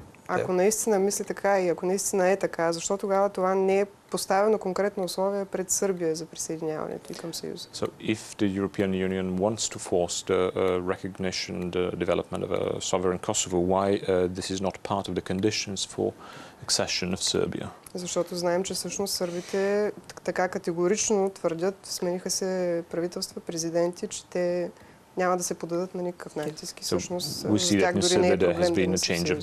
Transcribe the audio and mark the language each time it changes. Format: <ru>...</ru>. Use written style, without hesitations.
<bg>Ако наистина мисли така и ако наистина е така, защо тогава това не е поставено конкретно условие пред Сърбия за присъединяването и към Съюза?</bg> <en>So if the European Union wants to force the recognition, the development of a sovereign Kosovo, why this is not part of the conditions for accession of Serbia?</en> <bg>Защото знаем, че всъщност сърбите така категорично твърдят, смениха се правителства, президенти, че те няма да се подадат на никакъв натиск. И всъщност за тях дори не е проблем да не се</bg>